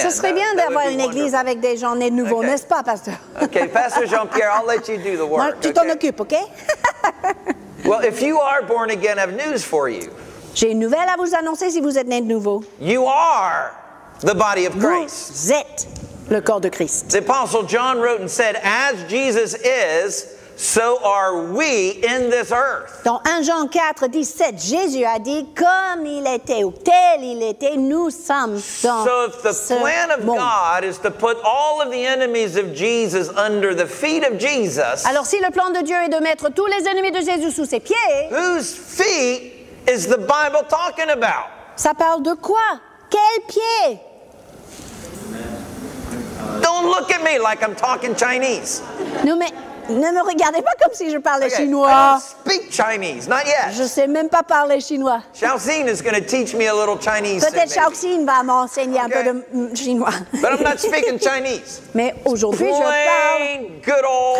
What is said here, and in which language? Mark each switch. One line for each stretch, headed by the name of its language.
French: Ce serait bien d'avoir une église avec des gens nés de nouveau, okay. N'est-ce pas, pasteur?
English: Okay, Pastor Jean-Pierre, I'll let you do the work.
French: Moi, tu t'en occupes, okay?
English: Well, if you are born again, I have news for you.
French: J'ai une nouvelle à vous annoncer si vous êtes né de nouveau.
English: You are the body of Christ.
French: Vous êtes le corps de Christ.
English: The Apostle John wrote and said, as Jesus is, so are we in this earth.
French: Dans 1 Jean 4, 17, Jésus a dit, comme il était ou tel il était, nous sommes dans ce monde.
English: So if the plan of God is to put all of the enemies of Jesus under the feet of Jesus,
French: alors si le plan de Dieu est de mettre tous les ennemis de Jésus sous ses pieds,
English: whose feet is the Bible talking about?
French: Ça parle de quoi? Quel pied?
English: Don't look at me like I'm talking Chinese.
French: Non, mais ne me regardez pas comme si je parlais chinois.
English: I don't speak Chinese, not yet.
French: Je sais même pas parler chinois.
English: Xiaoxin is going to teach me a little Chinese.
French: Peut-être Xiaoxin va m'enseigner un peu de chinois.
English: But I'm not speaking Chinese.
French: Mais aujourd'hui,
English: plain,
French: je parle
English: good old